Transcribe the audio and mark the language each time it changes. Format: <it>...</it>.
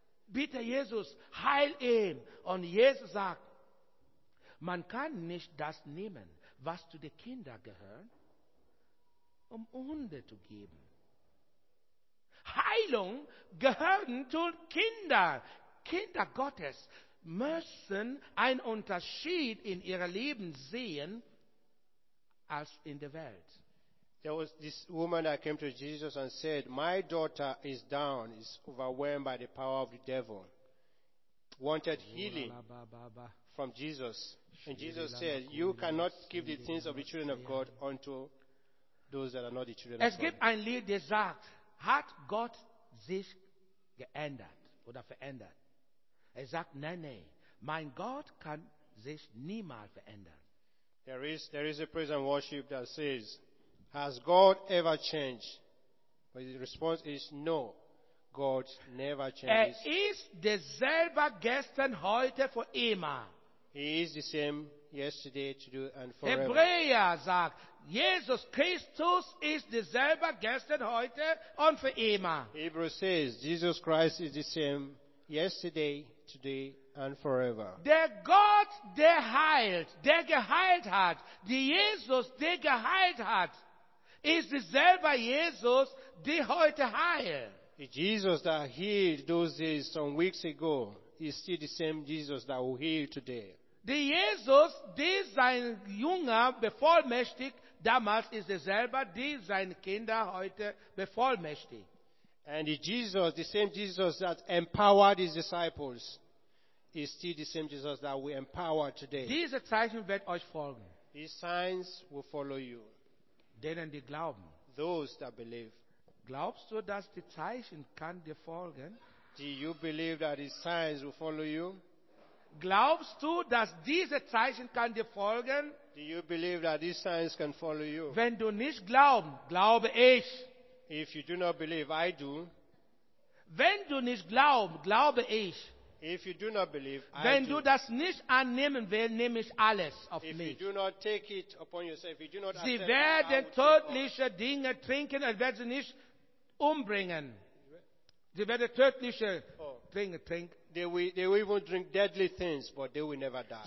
<de>Bitte, Jesus, heil ihn. Und Jesus sagt, man kann nicht das nehmen, was zu den Kindern gehört, um Hunde zu geben. Heilung gehört zu Kindern. Kinder Gottes müssen einen Unterschied in ihrem Leben sehen als in der Welt.</de> <en>There was this woman that came to Jesus and said, my daughter is down, is overwhelmed by the power of the devil. Wanted healing from Jesus. And Jesus said, you cannot give the things of the children of God unto those that are not the children of God.</en> <de>Es gibt ein Lied, das sagt, hat Gott sich geändert oder verändert? Er sagt, nein, mein Gott kann sich niemals verändern.</de> <en>There is a praise and worship that says, has God ever changed? But the response is, no, God never changes.</en> <de>Er ist derselbe gestern, heute, für immer.</de> <en>He is the same yesterday, today, and forever.</en> <de>Hebräer sagt, Jesus Christus ist derselbe gestern, heute und für immer.</de> <en>Hebrews says, Jesus Christ is the same yesterday, today, and forever.</en> <de>Der Gott, der heilt, der geheilt hat, der Jesus, der geheilt hat, ist derselbe Jesus, der heute heilt.</de> <en>Jesus, that healed those days some weeks ago, is still the same Jesus that will heal today.</en> <de>Der Jesus, der sein Jünger bevollmächtigt, damals ist derselbe, der seine Kinder heute bevollmächtigt.</de> <en>And the same Jesus that empowered his disciples, is still the same Jesus that we empower today.</en> <de>Diese Zeichen wird euch folgen.</de> <en>These signs will follow you.</en> <de>Denen die glauben.</de> <en>Those that believe.</en> <de>Glaubst du, dass die Zeichen kann dir folgen?</de> <en>Do you believe that his signs will follow you?</en> <de>Glaubst du, dass diese Zeichen kann dir folgen?</de> <en>Do you believe that these signs can follow you?</en> <de>Wenn du nicht glaubst, glaube ich.</de> <en>If you do not believe, I do.</en> <de>Wenn du nicht glaubst, glaube ich.</de> <en>If you do not believe, I</en> <de>wenn</de> <en>do.</en> <de>Du das nicht annehmen willst, nehme ich alles auf</de> <en>if</en> <de>mich.</de> <en>If you do not take it upon yourself, if you do not</en> <de>sie</de> <en>accept,</en> <de>werden tödliche Dinge trinken und werden sie nicht umbringen. Sie werden tödliche Dinge trinken.</de> <en>They will even drink deadly things, but they will never die.</en>